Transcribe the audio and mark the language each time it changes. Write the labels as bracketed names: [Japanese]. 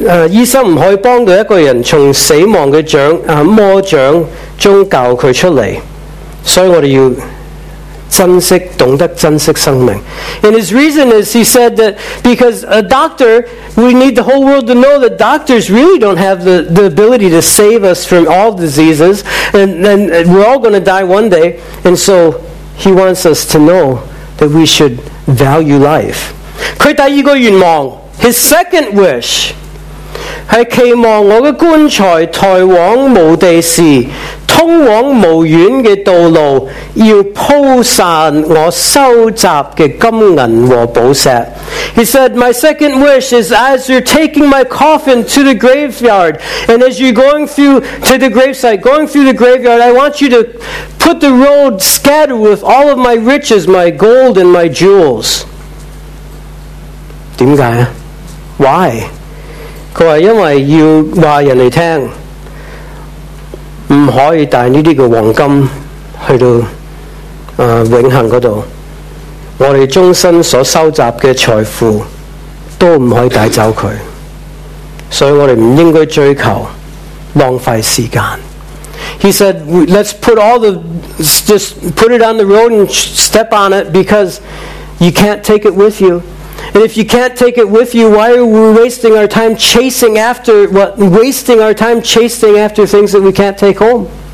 [Chinese] 医生不可以帮到一个人从死亡的魔掌中救他出来，所以我们要珍惜，懂得珍惜生命。 [English] And his reason is, he said that because a doctor, we need the whole world to know that doctors really don't have the ability to save us from all diseases, and we're all going to die one day, and so he wants us to know that we should value life. [Chinese] 他第二个愿望， [English] His second wish [Chinese] 是期望我的棺材抬往墓地时，通往墓园的道路要铺散我收集的金银和宝石。 [English] He said, my second wish is as you're taking my coffin to the graveyard, and as you're going through to the gravesite, going through the graveyard, I want you to put the road scattered with all of my riches, my gold and my jewels. [Chinese] 为什么？ [English] Why? [Chinese] 他说因为要告诉人来听，不可以带这些黄金去到永恒那里，我们终身所收集的财富都不可以带走它，所以我们不应该追求浪费时间。 [English] He said, let's put all the, just put it on the road and step on it because you can't take it with you. And if you can't take it with you, why are we wasting our time chasing after things that we can't take home?